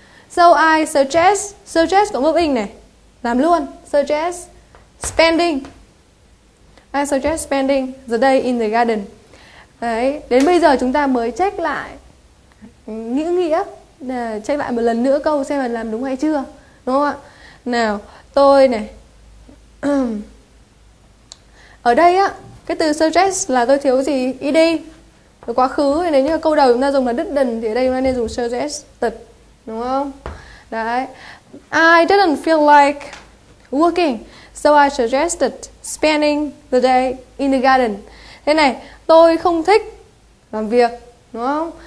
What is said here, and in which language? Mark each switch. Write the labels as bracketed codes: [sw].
[en] So I suggest, suggest của moving này. [vi] Làm luôn. [en] Suggest spending. I suggest spending the day in the garden. [vi] Đấy, đến bây giờ chúng ta mới check lại ngữ nghĩa. Check lại một lần nữa câu xem là làm đúng hay chưa. Đúng không ạ? Nào, tôi này. Ở đây á, cái từ suggest là tôi thiếu gì? ED. Quá khứ, nếu như câu đầu chúng ta dùng là didn't thì ở đây chúng ta nên dùng suggested. Đúng không? Đấy. [en] I didn't feel like working, so I suggested spending the day in the garden. [vi] Thế này, tôi không thích làm việc, đúng không?